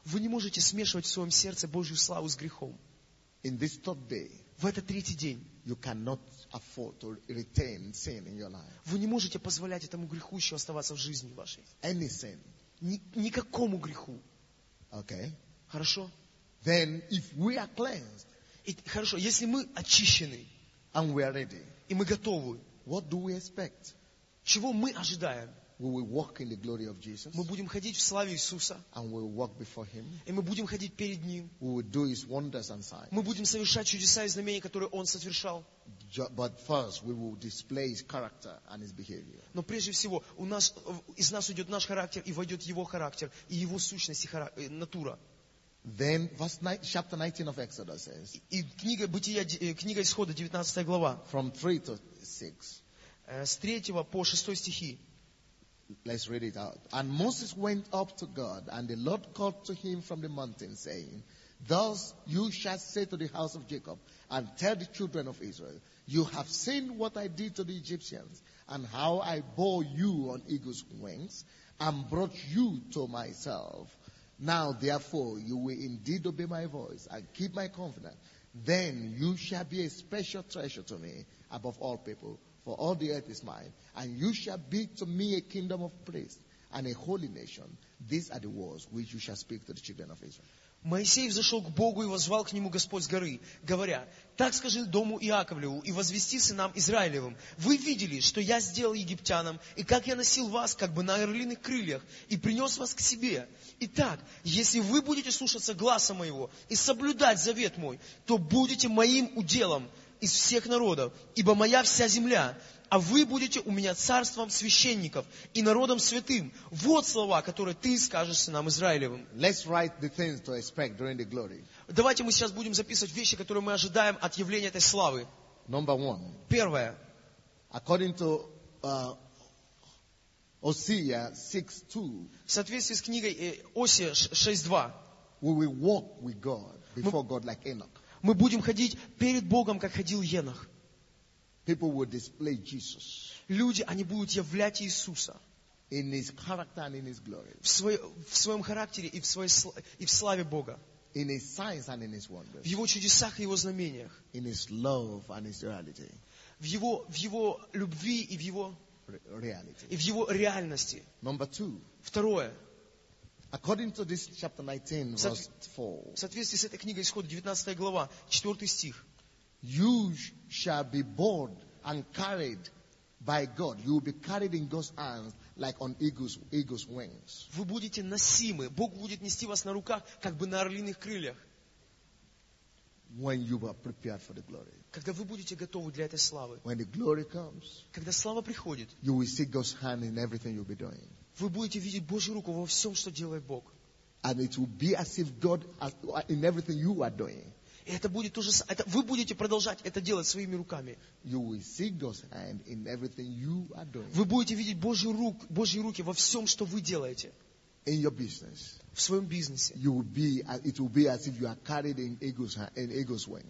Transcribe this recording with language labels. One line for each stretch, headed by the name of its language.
Russian: Вы не можете смешивать в своем сердце Божью славу с грехом.
English: In this third day,
Russian: в этот третий день,
English: you cannot afford to retain sin in your life.
Russian: Вы не можете позволять этому греху еще оставаться в жизни вашей.
English: Any sin.
Russian: Никакому греху.
English: Okay.
Russian: Хорошо.
English: Then, if we are cleansed,
Russian: хорошо, если мы очищены,
English: and we are ready,
Russian: и мы готовы,
English: what do we expect?
Russian: Чего мы ожидаем?
English: We will walk in the glory of Jesus.
Russian: Мы будем ходить в славе Иисуса.
English: And we will walk before Him.
Russian: И мы будем ходить перед Ним.
English: We will do His wonders and signs.
Russian: Мы будем совершать чудеса и знамения, которые Он совершал.
English: But first, we will display His character and His behavior.
Russian: Но прежде всего, из нас уйдет наш характер и войдет Его характер и Его сущность и натура.
English: Then verse 9, chapter 19 of Exodus says.
Russian: И книга Бытия, книга Исхода, 19 глава.
English: From 3 to 6.
Russian: С 3 по 6 стихи.
English: Let's read it out. And Moses went up to God, and the Lord called to him from the mountain, saying, Thus you shall say to the house of Jacob, and tell the children of Israel, You have seen what I did to the Egyptians, and how I bore you on eagle's wings, and brought you to myself. Now, therefore, you will indeed obey my voice, and keep my covenant. Then you shall be a special treasure to me above all people, for all the earth is mine. And you shall be to me a kingdom of priests, and a holy nation. These are the words which you shall speak to the children of Israel.
Russian: Моисей взошел к Богу и возвал к Нему Господь с горы, говоря, «Так скажи дому Иаковлеву и возвести сынам Израилевым, вы видели, что я сделал египтянам, и как я носил вас, как бы на орлиных крыльях, и принес вас к себе. Итак, если вы будете слушаться гласа моего и соблюдать завет мой, то будете моим уделом из всех народов, ибо моя вся земля». А вы будете у меня царством священников и народом святым. Вот слова, которые ты скажешь сынам Израилевым.
English: Let's write the things to expect during the glory.
Russian: Давайте мы сейчас будем записывать вещи, которые мы ожидаем от явления этой славы.
English: Number one.
Russian: Первое.
English: According to Hosea 6:2.
Russian: В соответствии с книгой Осия 6:2.
English: We will walk with God before God like Enoch.
Russian: Мы будем ходить перед Богом, как ходил Енох.
English: People will display Jesus.
Russian: Люди, они будут являть Иисуса.
English: In His character and in His glory.
Russian: В своем характере и в славе Бога.
English: In His signs and in His wonders.
Russian: В Его чудесах и Его знамениях.
English: In His love and His reality.
Russian: В Его любви и в Его
English: reality.
Russian: И в Его реальности.
English: Number two.
Russian: Второе.
English: According to this chapter 19, verse 4.
Russian: В соответствии с этой книгой Исхода, 19 глава, 4 стих.
English: You shall be bored and carried by God. You will be carried in God's hands like on eagle's wings.
Russian: Вы будете носимы. Бог будет нести вас на руках, как бы на орлиных крыльях.
English: When you are prepared for the glory.
Russian: Когда вы будете готовы для этой славы.
English: When the glory comes.
Russian: Когда слава приходит.
English: You will see God's hand in everything you'll be doing.
Russian: Вы будете видеть Божью руку во всем, что делает Бог.
English: And it will be as if God in everything you are doing.
Russian: Это будет то же самое. Вы будете продолжать это делать своими руками.
English: You will see God's hand in everything you are doing.
Russian: Вы будете видеть Божьи руки во всем, что вы делаете.
English: In your business.
Russian: В своем бизнесе.
English: You will be, it will be as if you are carried in eagle's wings.